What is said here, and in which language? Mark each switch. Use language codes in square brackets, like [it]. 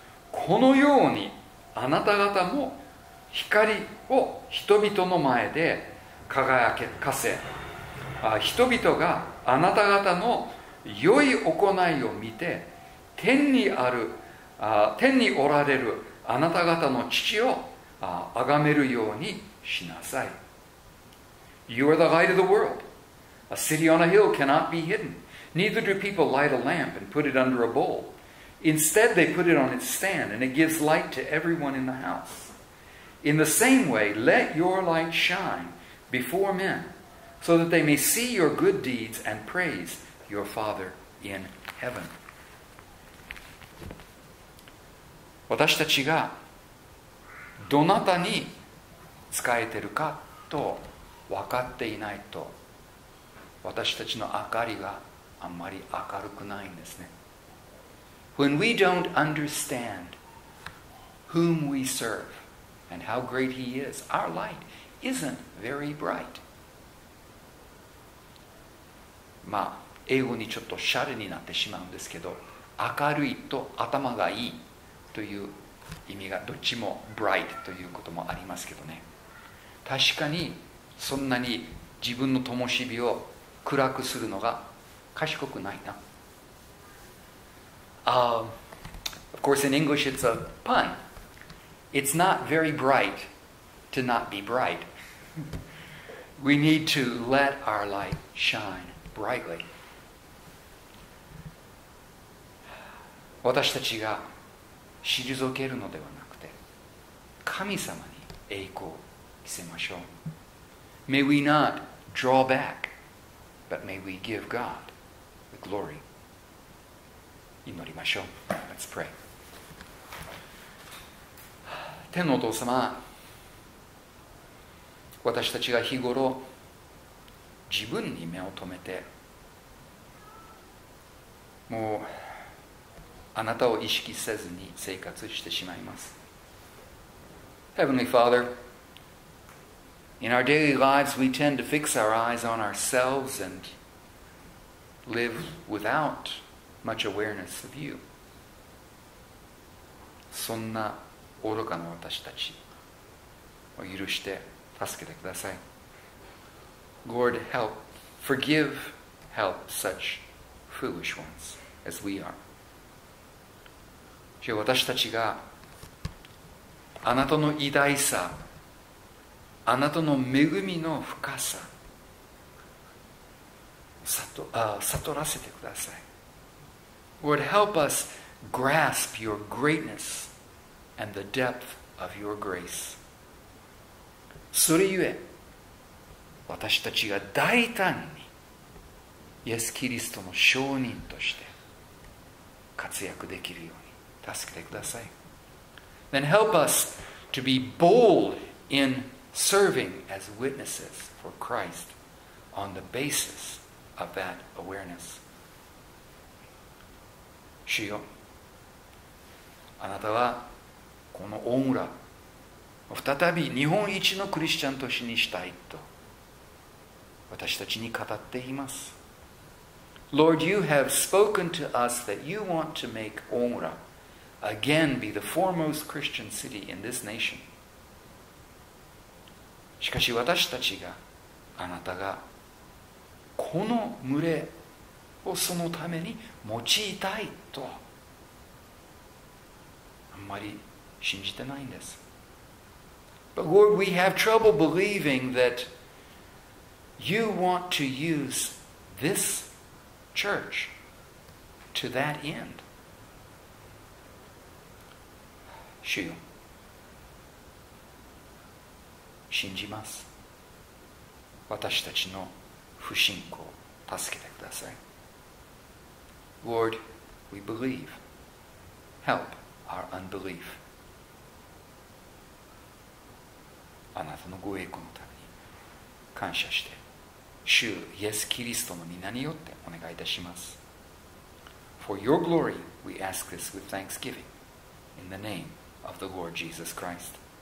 [ja] このようにあなた方も光を人々の前で輝かせ、人々があなた方の良い行いを見て、天にある天におられるあなた方の父を崇めるようにしなさい。 [en] You are the light of the world. A city on a hill cannot be hidden. Neither do people light a lamp and put it under a bowl. Instead, they put it on its stand, and it gives light to everyone in the house. In the same way, let your light shine before men, so that they may see your good deeds and praise your Father in heaven. [ja] 私たちがどなたに使えてるかと分かっていないと、私たちの明かりがあんまり明るくないんですね。 [en] When we don't understand whom we serve and how great he is, our light isn't very bright. [ja] まあ、英語にちょっとシャレになってしまうんですけど、明るいと頭がいいという意味がどっちも bright ということもありますけどね。確かにそんなに自分の灯火を暗くするのが賢くないな。 [en] Of course, in English, it's a pun. It's not very bright to not be bright. We need to let our light shine brightly. [ja] 私たちが退けるのではなくて、神様に栄光を着せましょう。 [en] May we not draw back, but may we give God the glory. [ja] 祈りましょう。 [en] Let's pray. [ja] 天のお父様、私たちが日頃自分に目を留めて、もうあなたを意識せずに生活してしまいます。 [en] Heavenly Father, in our daily lives we tend to fix our eyes on ourselves and live without much awareness of you. [ja] そんな愚かな私たちを許して助けてください。 [en] Lord, help, forgive, help such foolish ones as we are. [ja] 主よ、私たちがあなたの偉大さ、あなたの恵みの深さ、悟らせてください。 [en] Lord, help us grasp your greatness and the depth of your grace. [ja] それゆえ、私たちが大胆にイエス・キリストの証人として活躍できるように。助けてください。 [en] Then help us to be bold in serving as witnesses for Christ on the basis of that awareness. [ja] 主よ、あなたはこの大村を再び日本一のクリスチャン都市にしたいと私たちに語っています。 [en] Lord, you have spoken to us that you want to make 大村Again, be the foremost Christian city in this nation. [ja] しかし私たちが、あなたがこの群れをそのために用いたいとあんまり信じてないんです。 [en] But Lord, we have trouble believing that you want to use this church to that end. [ja] 主よ、信じます。私たちの不信仰、助けてください。 [en] Lord, we believe. Help our unbelief. [ja] あなたのご栄光のために感謝して、主イエス・キリストの名によってお願いいたします。 [en] For your glory, we ask this with thanksgiving. In the name of the Lord Jesus Christ.